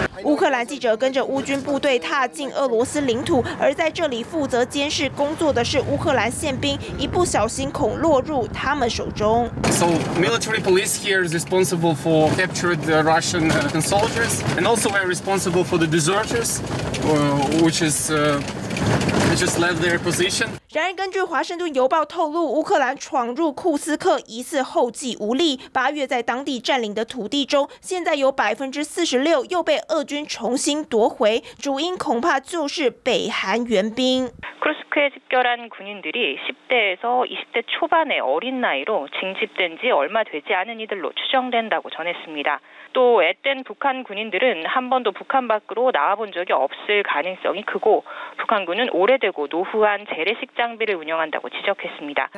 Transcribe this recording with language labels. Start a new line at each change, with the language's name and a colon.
Chinese: 乌克兰记者跟着乌军部队踏进俄罗斯领土，而在这里负责监视工作的是乌克兰宪兵，一不小心恐落入他们手中。
English: So military police here is responsible for captured Russian soldiers, and also we're responsible for the deserters, which is left their position.
Chinese: 然而，根据《华盛顿邮报》透露，乌克兰闯入库斯克疑似后继无力。八月在当地占领的土地中，现在有46%又被俄军重新夺回，主因恐怕就是北韩援兵。
Korean: 库斯克에집결한군인들이10대에서 20대초반의어린나이로징집된지얼마되지않은이들로추정된다고전했습니다또애된북한군인들은한번도북한밖으로나와본적이없을가능성이크고북한군은오래되고노후한재래식장비를운영한다고지적했습니다